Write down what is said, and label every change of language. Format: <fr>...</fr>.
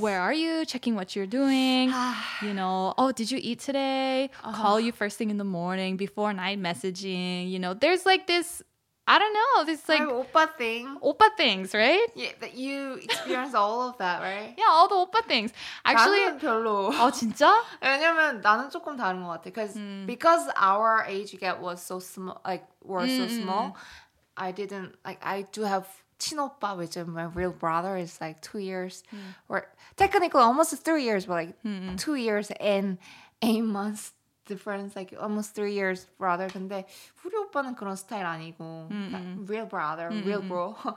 <en>Where are you? Checking what you're doing. You know, oh, did you eat today? Call you first thing in the morning, before night messaging. You know, there's like this... I don't know. This like oppa thing. Oppa things, right? Yeah, that you experience all of that, right? Yeah, all the oppa things. Actually,</en> <ko>나는 별로. 아 진짜? 왜냐면 나는 조금 다른 것 같아.</ko> <en>Because our age gap was so small, I didn't like. I do have</en> <ko>친오빠,</ko> <en>which is my real brother, is like 2 years, or technically almost 3 years, but like 2 years and 8 months. Difference like almost 3 years brother.</en> <ko>근데 우리 오빠는 그런 스타일 아니고</ko> <en>real brother, real bro.</en>